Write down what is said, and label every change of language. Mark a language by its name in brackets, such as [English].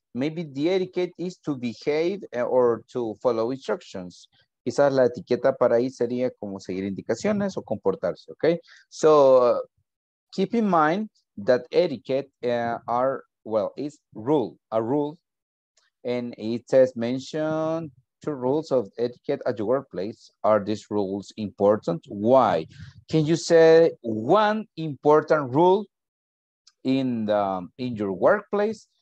[English] Maybe the etiquette is to behave or to follow instructions. [Spanish] Quizás la etiqueta para ahí sería como seguir indicaciones o comportarse, okay? [English] So, keep in mind that etiquette is a rule. And it says mention 2 rules of etiquette at your workplace. Are these rules important? Why? Can you say one important rule in your workplace?